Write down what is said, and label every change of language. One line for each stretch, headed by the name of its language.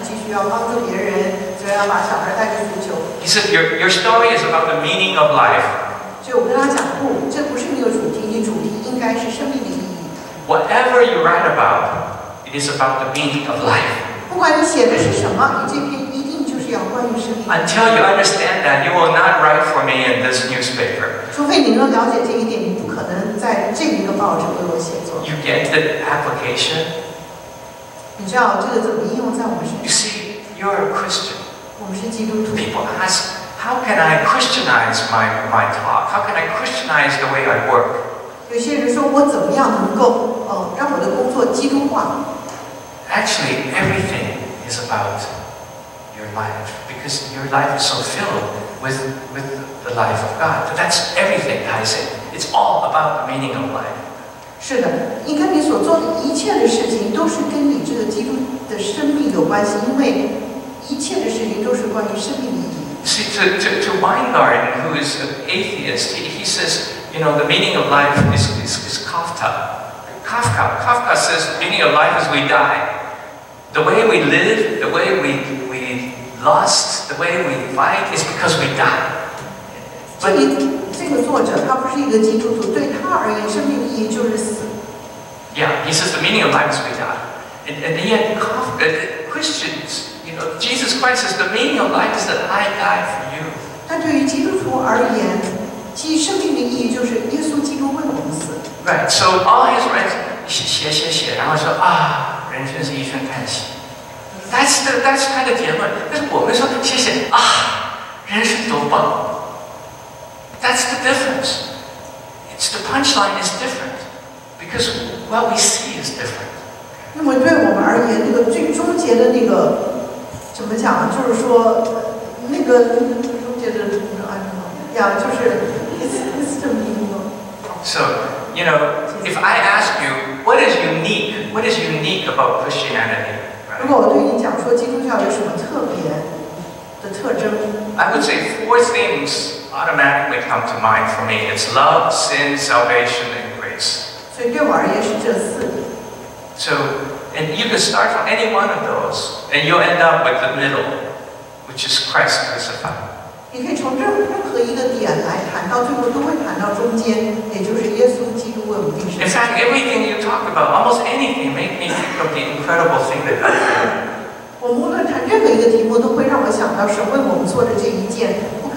Chinese: 记者会说，我这个是讲的一个足球妈妈，她非常的困难，但她还是继续要帮助别人，所以要把小孩带去足球。
English: He said, "Your story is about the meaning of life."
Chinese: 就我跟他讲，不，这不是那个主题，你主题应该是生命的意义。
English: Whatever you write about, it is about the meaning of life.
Chinese: 不管你写的是什么，你这篇一定就是要关于生命。
English: Until you understand that, you will not write for me in this newspaper.
Chinese: 除非你能了解这一点，你不可能在这一个报纸为我写作。
English: You get the application.
Chinese: 你知道这个怎么应用在我们身上
English: ？You see, you're a Christian.
Chinese: 我们是基督徒。
English: People ask, how can I Christianize my talk? How can I Christianize the way I work?
Chinese: 有些人说我怎么样能够让我的工作基督化
English: ？Actually, everything is about your life because your life is so filled with the life of God. But that's everything, I say. It's all about the meaning of life.
Chinese: 是的，你跟你所做的一切的事情都是跟你这个基督的生命有关系，因为一切的事情都是关于生命的意义。
English: See, to Weingarten, who is an atheist, he says, you know, the meaning of life is Kafka. Kafka. Kafka says, meaning of life is we die. The way we live, the way we lust, the way we fight is because we die. But it,
Chinese: 这个作者他不是一个基督徒，对他而言，生命的意义就是死。
English: Yeah, he says the meaning of life is we die, and yet Christians, you know, Jesus Christ says the meaning of life is that I die for you.
Chinese: 但对于基督徒而言，其生命的意义就是耶稣基督为我们死。
English: Right, so all his writings,
Chinese: 写，然后说啊，人生是一声叹息。
English: That's kind of
Chinese: 结论。但是我们说谢谢啊，人生多棒。
English: That's the difference. It's the punchline is different because what we see is different.
Chinese: 那么对我们而言，那个最终结的那个怎么讲？就是说，那个终结的就是
English: it's the meaning. So, you know, if I ask you what is unique about Christianity?
Chinese: 如果我对你讲说基督教有什么特别的特征
English: ？I would say four things. Automatically come to mind for me. It's love, sin, salvation, and grace. So,
Chinese: 对我而言是这四点。
English: So, and you can start from any one of those, and you'll end up with the middle, which is Christ crucified.
Chinese: 你可以从任何一个点来谈，到最后都会谈到中间，也就是耶稣基督为我们钉十字架。
English: In fact, everything you talk about, almost anything, make me think of the incredible thing that God did.
Chinese: 我无论谈任何一个题目，都会让我想到神为我们做的这一件。